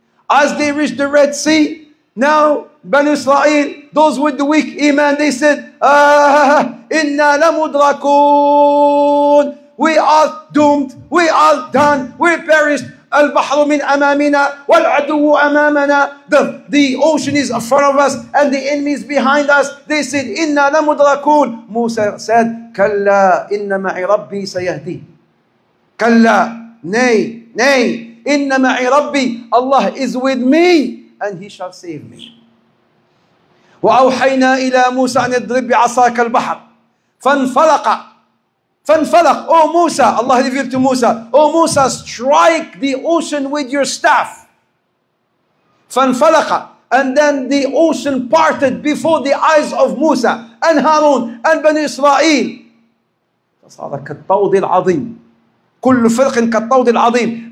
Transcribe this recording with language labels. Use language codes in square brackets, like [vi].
[en] As they reached the Red Sea, now Banu Israel, those with the weak iman, they said, Inna lamudrakun. We are doomed. We are done. We perished. [ar] البحر من أمامنا والعدو أمامنا [en] the ocean is in front of us and the enemy is behind us. They said [ar] إنا لمدركون. موسى said كلا إن معي ربي سيهدي. كلا [en] nay nay [ar] إن معي ربي. [en] Allah is with me and he shall save me. [ar] وأوحينا إلى موسى أن يضرب بعصاك البحر فانفلق. فانفلق. [en] Oh Musa, Allah revealed to Musa, Oh Musa, strike the ocean with your staff. [ar] فانفلق. [en] And then the ocean parted before the eyes of Musa and Harun and Bani Israel. [ar] صار كالطود العظيم. كل فرق كالطود العظيم.